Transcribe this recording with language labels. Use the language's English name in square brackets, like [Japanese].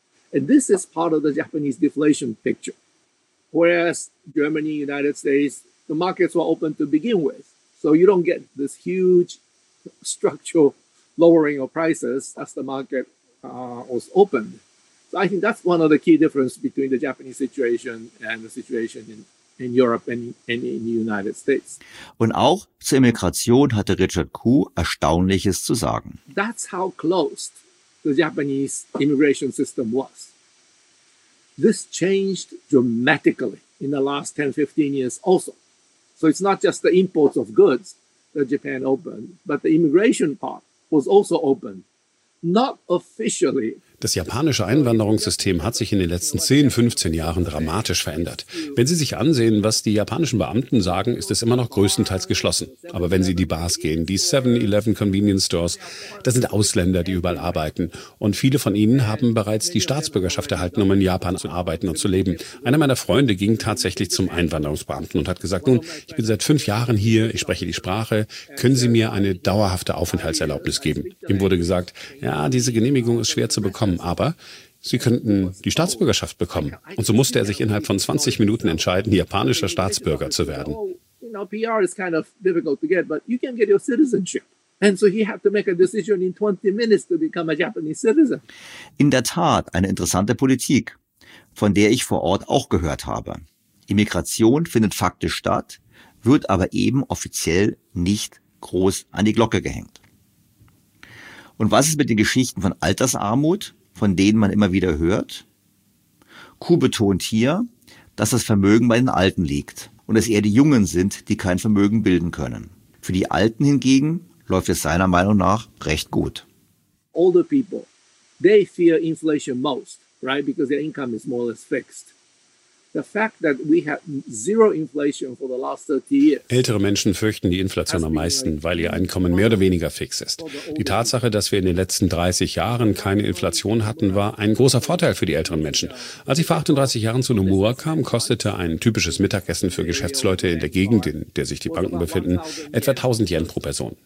[English] And this is part of the Japanese deflation picture. Whereas Germany, United States, the markets were open to begin with. So you don't get this huge structural lowering of prices as the market was opened. So I think that's one of the key differences between the Japanese situation and the situation in Europe and in the United States. [German] Und auch zur Immigration hatte Richard Ku Erstaunliches zu sagen. [English] That's how closed the Japanese immigration system was. This changed dramatically in the last 10, 15 years also. So it's not just the imports of goods that Japan opened, but the immigration part was also open, not officially. [German] Das japanische Einwanderungssystem hat sich in den letzten 10, 15 Jahren dramatisch verändert. Wenn Sie sich ansehen, was die japanischen Beamten sagen, ist es immer noch größtenteils geschlossen. Aber wenn Sie in die Bars gehen, die 7-Eleven Convenience Stores, das sind Ausländer, die überall arbeiten. Und viele von ihnen haben bereits die Staatsbürgerschaft erhalten, um in Japan zu arbeiten und zu leben. Einer meiner Freunde ging tatsächlich zum Einwanderungsbeamten und hat gesagt, nun, ich bin seit 5 Jahren hier, ich spreche die Sprache, können Sie mir eine dauerhafte Aufenthaltserlaubnis geben? Ihm wurde gesagt, ja, diese Genehmigung ist schwer zu bekommen. Aber sie könnten die Staatsbürgerschaft bekommen. Und so musste er sich innerhalb von 20 Minuten entscheiden, japanischer Staatsbürger zu werden. [English] PR is kind of difficult to get, but you can get your citizenship. And so he had to make a decision in 20 minutes to become a Japanese citizen. [German] In der Tat eine interessante Politik, von der ich vor Ort auch gehört habe. Immigration findet faktisch statt, wird aber eben offiziell nicht groß an die Glocke gehängt. Und was ist mit den Geschichten von Altersarmut, von denen man immer wieder hört? Ku betont hier, dass das Vermögen bei den Alten liegt und es eher die Jungen sind, die kein Vermögen bilden können. Für die Alten hingegen läuft es seiner Meinung nach recht gut. [English] Older people, they fear inflation most. right? Because their income is more or less fixed. The fact that we had zero inflation for the last 30 years. [German] Ältere Menschen fürchten die Inflation am meisten, weil ihr Einkommen mehr oder weniger fix ist. Die Tatsache, dass wir in den letzten 30 Jahren keine Inflation hatten, war ein großer Vorteil für die älteren Menschen. Als ich vor 38 Jahren zu Nomura kam, kostete ein typisches Mittagessen für Geschäftsleute in der Gegend, in der sich die Banken befinden, etwa 1000 Yen pro Person.